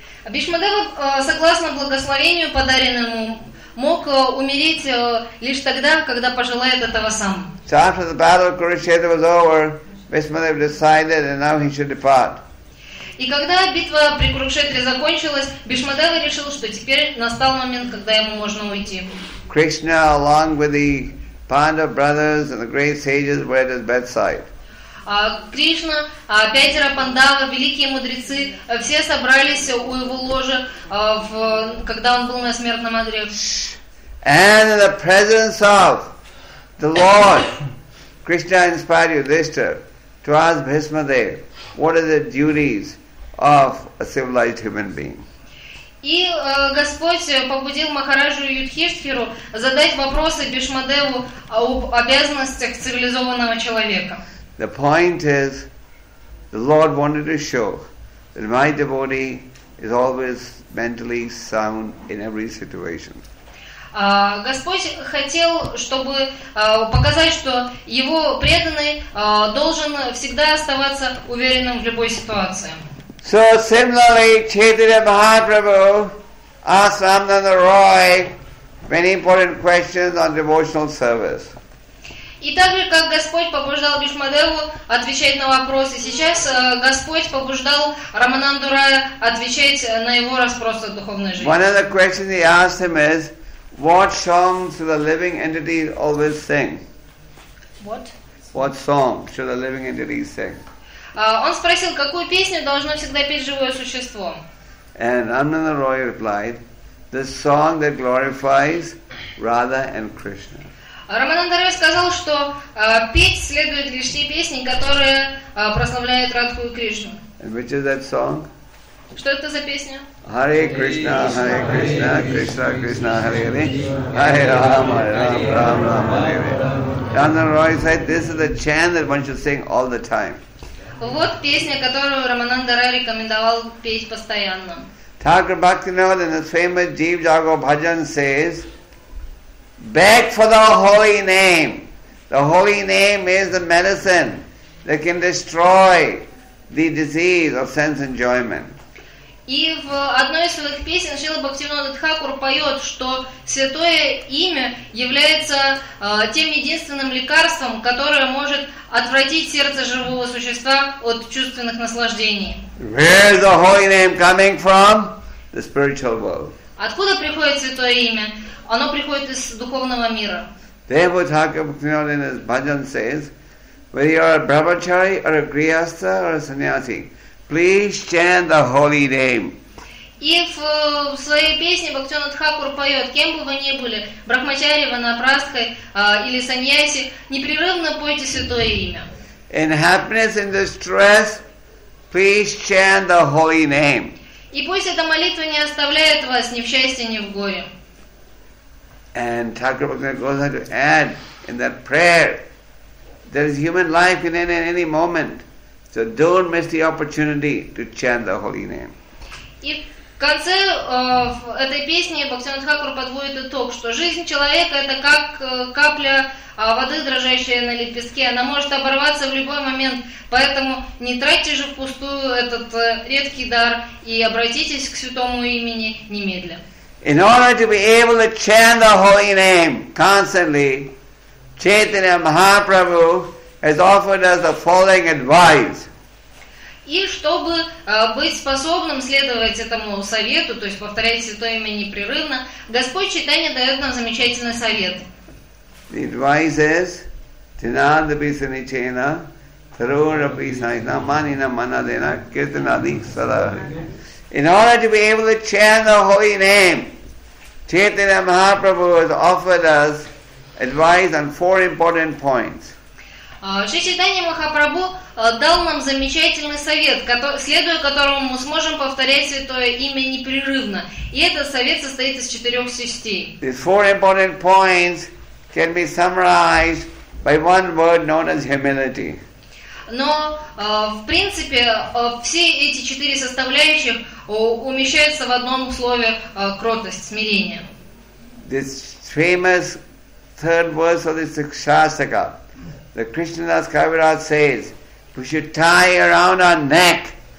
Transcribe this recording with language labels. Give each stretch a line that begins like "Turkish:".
Russian: Бишмадева, согласно благословению, подаренному, мог умереть лишь тогда, когда пожелает этого сам.
English: So after the battle of Kurukshetra was over, Бишмадева decided and now he should depart.
Russian: И когда битва при Курукшетре закончилась, Бишмадева решил, что теперь настал момент, когда ему можно уйти.
English: Krishna, along with the Pandava brothers and the great sages, were at his bedside.
Russian: Кришна, пятеро Пандава, великие мудрецы, все собрались у его ложа, когда он был на смертном одре.
English: And in the presence of the Lord, Krishna inspired Yudhishthira to ask Bhishmadev, what are the duties of a civilized human being?
Russian: И Господь побудил Махараджу Юдхиштхиру задать вопросы Бишмадеву об обязанностях цивилизованного человека.
English: The point is, the Lord wanted to show that my devotee is always mentally sound in every situation.
Russian: Господь хотел, чтобы показать, что его преданный должен всегда оставаться уверенным в любой ситуации.
English: So similarly, Chaitanya Mahaprabhu asked Ramananda Roy many important questions on devotional service.
Russian: И так же, как Господь побуждал Бишмадеву отвечать на вопросы, сейчас Господь побуждал Рамананду Рая отвечать на его расспросы о духовной жизни.
English: One of the questions he asked him is, what song should a living entity always sing? What? What song should a living entity sing?
Russian: Он спросил, какую песню должно всегда петь живое существо?
English: And Рамананда Рай replied, the song that glorifies Radha and Krishna.
Russian: Рамананда Рай сказал, что петь следует лишь те песни, которые прославляют Радху и Кришну.
English: And which is that song?
Russian: Что это за песня?
Sanskrit: Hare Krishna, Hare Krishna, Krishna Krishna, Hare Hare, Hare Rama, Hare Rama, Rama Rama, Hare Hare.
English: Рамананда Рай said, this is the chant that one should sing all the time.
Russian: Вот песня, которую Рамананда Рай рекомендовал петь постоянно.
English: Thakur Bhaktivinoda in his famous Jeev Jago Bhajan says, beg for the holy name. The holy name is the medicine that can destroy the disease of sense enjoyment.
Russian: И в одной из своих песен Шрила Бхактивинода Тхакур поет, что святое имя является тем единственным лекарством, которое может отвратить сердце живого существа от чувственных наслаждений.
English: Where is the holy name coming from? The spiritual world.
Russian: Откуда приходит святое имя? Оно приходит из духовного мира.
English: Therefore, Thakur Bhaktivinoda in his bhajan says, whether you are a brahmachari or a grihastha or a sannyasi, please chant the holy name.
Russian: И в своей песне Бхактивинода Тхакур поет, кем бы вы ни были, брахмачари, ванапрастха или саньяси, непрерывно пойте святое имя.
English: In happiness and distress, please chant the holy name.
Russian: И пусть эта молитва не оставляет вас ни в счастье, ни в горе.
English: And Thakur Bhaktivinoda goes on to add in that prayer, there is human life in any moment. So don't miss the opportunity to chant the holy name.
Russian: И в конце этой песни Бхактивинода Тхакур подводит итог, что жизнь человека это как капля воды, дрожащая на лепестке. Она может оборваться в любой момент. Поэтому не тратьте же впустую этот редкий дар и обратитесь к святому имени немедля.
English: In order to be able to chant the holy name constantly, Chaitanya Mahaprabhu has offered us the following advice.
Russian: И чтобы быть способным следовать этому совету, то есть повторять святое имя непрерывно, Господь Чайтанья дает нам замечательный совет.
English: The advice is
Sanskrit: Tinadabhi Sanichena Tharurabhi Sanichena Manina Manadena Kirtanadi Sarari.
English: In order to be able to chant the holy name, Chaitanya Mahaprabhu has offered us advice on four important points.
Russian: Шри Чайтанья Махапрабху дал нам замечательный совет, следуя которому мы сможем повторять святое имя непрерывно. И этот совет состоит из четырех частей.
English: These four important points can be summarized by one word known as humility.
Russian: Но, в принципе, все эти четыре составляющих умещаются в одном слове кротость, смирение.
English: This famous third verse of the Shastaka. The Krishnadas Kaviraj says, we should tie around our neck.